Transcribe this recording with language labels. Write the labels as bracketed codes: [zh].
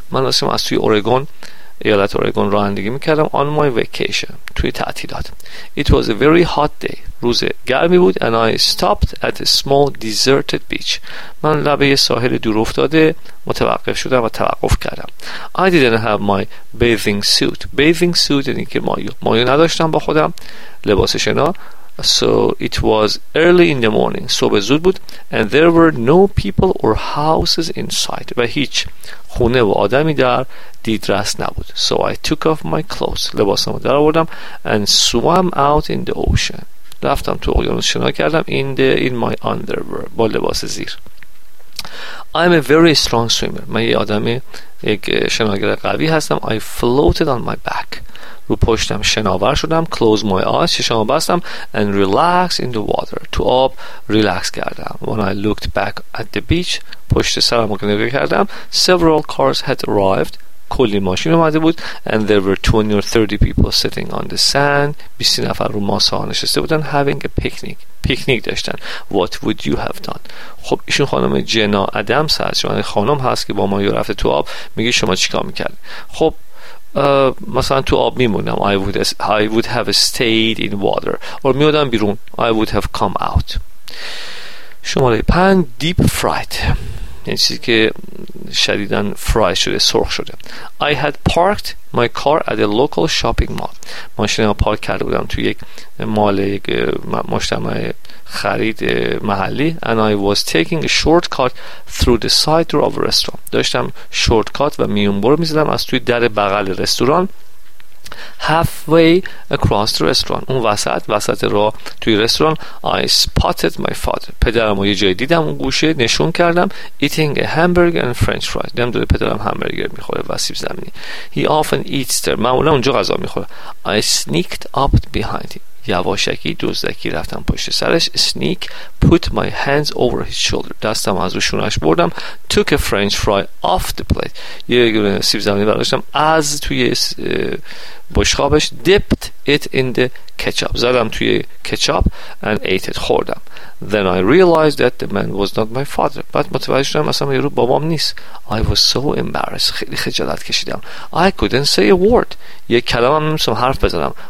[fa] من داشتم از توی اورگون، ایالت اورگون رانندگی میکردم. [en] On my vacation. [fa] توی تعطیلات. [en] It was a very hot day. [fa] روز گرمی بود. [en] And I stopped at a small deserted beach. [fa] من لبه یه ساحل دور افتاده متوقف شدم و توقف کردم. [en] I didn't have my bathing suit. Bathing suit [fa] یعنی که مایو نداشتم با خودم، لباس شنا. [en] So it was early in the morning. [fa] صبح زود بود. [en] And there were no people or houses in sight. [fa] و هیچ خونه و آدمی در دیدرس نبود. [en] So I took off my clothes. [fa] لباسمو در آوردم. [en] And swam out in the ocean. [fa] رفتم تو اقیانوس شنا کردم. [en] In my underwear. [fa] با لباس زیر. [en] I'm a very strong swimmer. [fa] من یه آدم یک شناگر قوی هستم. [en] I floated on my back. [fa] رو پشتم شناور شدم. [en] Close my eyes. [fa] چشمو بستم. [en] And relax in the water. [fa] تو آب ریلکس کردم. [en] When I looked back at the beach. [fa] پشت سرم رو نگاه کردم. [en] Several cars had arrived. [fa] کلی ماشین اومده بود. [en] And there were 20 or 30 people sitting on the sand. [fa] 20 نفر رو ماسه ها نشسته بودن. [en] Having a picnic. [fa] پیکنیک داشتن. [en] What would you have done? [fa] خب ایشون خانم جنا ادمز هست. شما خانم هست که با ما یه رفته تو آب. میگه شما چیکار میکرد؟ خب مثلا تو آب میمونم. [en] I would have stayed in water. [fa] اور میادم بیرون. [en] I would have come out. [fa] شماره [en] 5, deep fried. [fa] یعنی چیزی که شدیدن فرای شده، سرخ شده. [en] I had parked my car at a local shopping mall. [fa] ماشینم پارک کرده بودم تو یک مال، یک مجتمع خرید محلی. [en] And I was taking a shortcut through the side door of a restaurant. [fa] داشتم شورتکات و میونبر میزدم از توی در بغل رستوران. [en] Halfway across the restaurant. [fa] اون وسط راه توی رستوران. [en] I spotted my father. [fa] پدرم رو یه جای دیدم، اون گوشه نشون کردم. [en] Eating a hamburger and french fries. [fa] دیدم داره پدرم همبرگر میخوره و سیب زمینی. [en] He often eats there. [fa] معمولا اونجا غذا میخوره. [en] I sneaked up behind him. [fa] یواشکی دوزدکی رفتم پشت سرش. [en] Sneak, put my hands over his shoulder. [fa] دستم از رو شونش بردم. [en] Took a french fry off the plate. [fa] یه گونه سیب زمینی برداشتم از توی بشقابش. [en] Dipped it in the ketchup. [fa] زدم توی [en] ketchup and ate it. [fa] خوردم. [en] Then I realized that the man was not my father. [fa] بعد متوجه شدم اصلا یه رو بابام نیست. [en] I was so embarrassed. [fa] خیلی خجالت کشیدم. [en] I couldn't say a word. [fa] یک کلمه هم نمیتونم حرف بزنم.